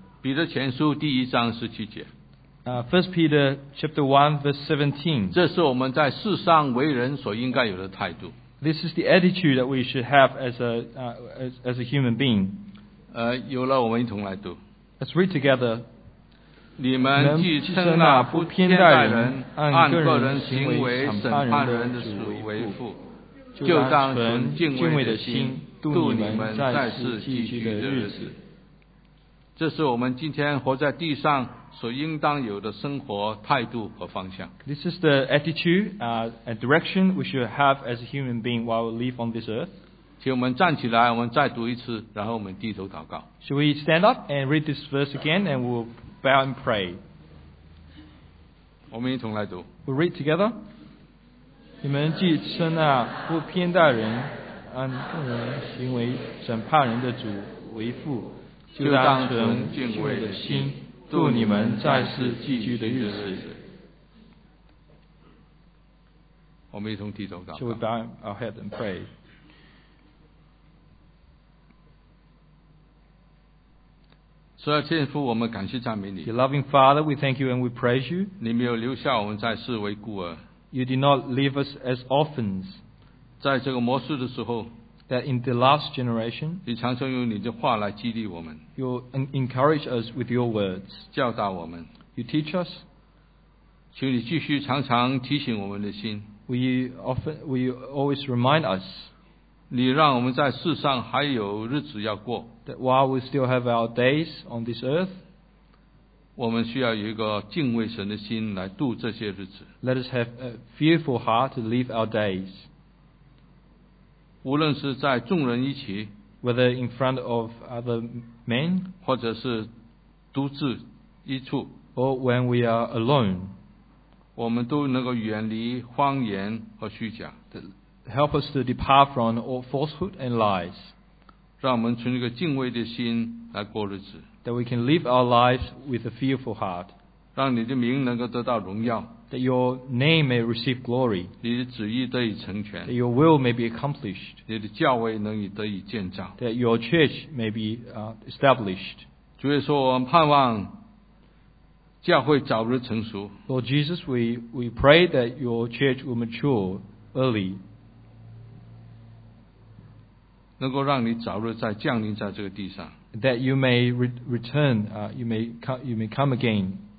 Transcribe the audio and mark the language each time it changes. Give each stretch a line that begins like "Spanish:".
Chinese: 彼得前书第一章十七节。
English: First Peter chapter 1 verse 17.
Chinese: 这是我们在世上为人所应该有的态度。
English: This is the attitude that we should have as a human being.
Chinese: 有了我们一同来读。
English: Let's read together.
Chinese: 你们既称那不偏待人，按个人行为审判人的主为父。就当存敬畏的心度你们在世寄居的日子这是我们今天活在地上所应当有的生活态度和方向
English: This is the attitude and direction we should have as a human being while we live on this earth
Chinese: 请我们站起来，我们再读一次，然后我们低头祷告。
English: Should we stand up and read this verse again, and we'll bow and pray?
Chinese: 我们一同来读。
English: We read together.
Chinese: 你们既称那不偏待人、按个人行为审判人的主为父，就当存敬畏的心度你们在世寄居的日子。我们一同低头祷告。
English: Should we bow our head and pray?
Chinese: 所以天父，我们感谢赞美你。
English: Your loving Father, we thank you and we praise you.
Chinese: 你没有留下我们在世为孤儿。
English: You did not leave us as orphans.
Chinese: 在这个末世的时候，
English: that in the last generation,
Chinese: 你常常用你的话来激励我们。
English: You encourage us with your words.
Chinese: 教导我们。
English: You teach us.
Chinese: 请你继续常常提醒我们的心。
English: Will you always remind us?
Chinese: 你让我们在世上还有日子要过。
English: That while we still have our days on this earth,
Chinese: 我们需要有一个敬畏神的心来度这些日子。
English: Let us have a fearful heart to live our days.
Chinese: 无论是在众人一起，
English: whether in front of other men,
Chinese: 或者是独自一处，
English: or when we are alone,
Chinese: 我们都能够远离谎言和虚假。
English: Help us to depart from all falsehood and lies.
Chinese: 让我们存一个敬畏的心来过日子。
English: That we can live our lives with a fearful heart.
Chinese: 让你的名能够得到荣耀。
English: That your name may receive glory.
Chinese: 你的旨意得以成全。
English: That your will may be accomplished.
Chinese: 你的教会能以得以建造。
English: That your church may be established.
Chinese: 主耶稣，我们盼望教会早日成熟。
English: Lord Jesus, we pray that your church will mature early.
Chinese: 能够让你早日再降临在这个地上。
English: That you may return, you may come again.